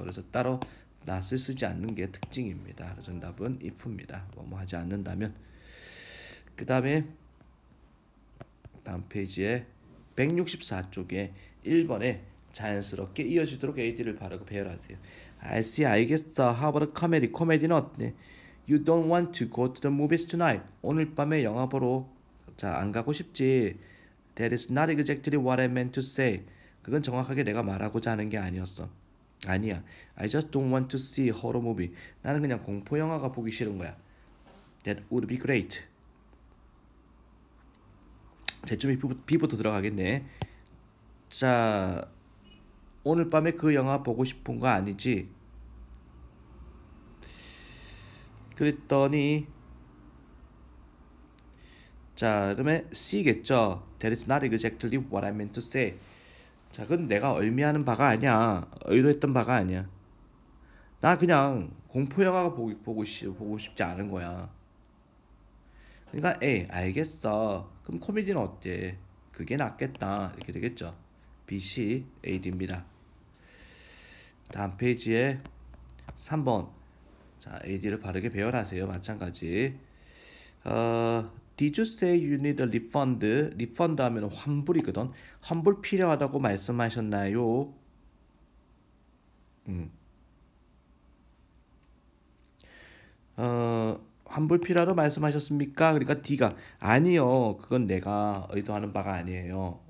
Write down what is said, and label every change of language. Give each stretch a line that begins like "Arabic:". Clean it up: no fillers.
Korean: 그래서 따로 not을 쓰지 않는 게 특징입니다. 정답은 if입니다. 뭐뭐 하지 않는다면 그 다음에 다음 페이지에 164쪽에 1번에 자연스럽게 이어지도록 AD를 바르고 배열하세요.
English: I see,
Korean: 알겠어.
English: How about a comedy?
Korean: 코미디는 어때?
English: You don't want to go to the movies tonight.
Korean: 오늘 밤에 영화 보러 자, 안 가고 싶지.
English: That is not exactly what I meant to say.
Korean: 그건 정확하게 내가 말하고자 하는 게 아니었어. 아니야.
English: I just don't want to see horror movie.
Korean: 나는 그냥 공포 영화가 보기 싫은 거야.
English: That would be great.
Korean: 대충 B부터 들어가겠네. 자... 오늘 밤에 그 영화 보고 싶은 거 아니지? 그랬더니 자, 그러면 C겠죠?
English: That is not exactly what I meant to say.
Korean: 자, 그건 내가 의미하는 바가 아니야. 의도했던 바가 아니야. 나 그냥 공포 영화가 보고 싶지 않은 거야. 그러니까 에이, 알겠어. 그럼 코미디는 어때? 그게 낫겠다. 이렇게 되겠죠? B, C, A, D입니다. 다음 페이지에 3번 자 AD를 바르게 배열하세요. 마찬가지
English: Did you say you need a refund?
Korean: Refund 하면 환불이거든. 환불 필요하다고 말씀하셨나요? 환불 필요하다고 말씀하셨습니까? 그러니까 D가 아니요 그건 내가 의도하는 바가 아니에요.